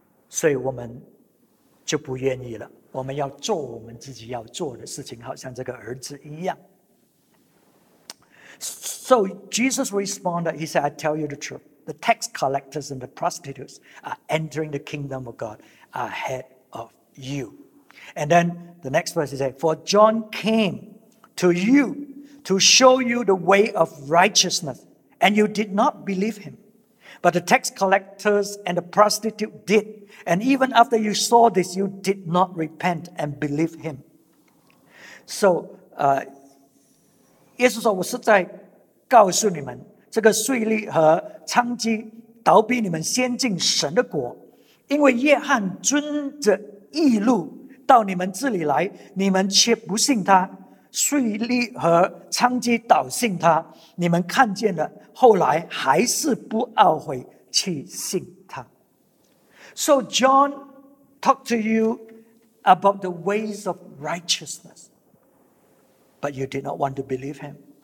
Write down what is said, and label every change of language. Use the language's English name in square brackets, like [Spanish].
[Chinese] 所以我们就不愿意了，我们要做我们自己要做的事情，好像这个儿子一样。 [English] So Jesus responded, he said, I tell you the truth. The tax collectors and the prostitutes are entering the kingdom of God ahead of you. And then the next verse is saying, For John came to you to show you the way of righteousness, and you did not believe him. But the tax collectors and the prostitute did. And even after you saw this, you did not repent and believe him. [Chinese] So, 耶稣说我是在告诉你们这个税吏和娼妓倒逼你们先进神的国，因为约翰遵着义路到你们这里来，你们却不信他。税吏和娼妓倒信他，你们看见了，后来还是不懊悔去信他。 [English] So John talked to you about the ways of righteousness, but you did not want to believe him.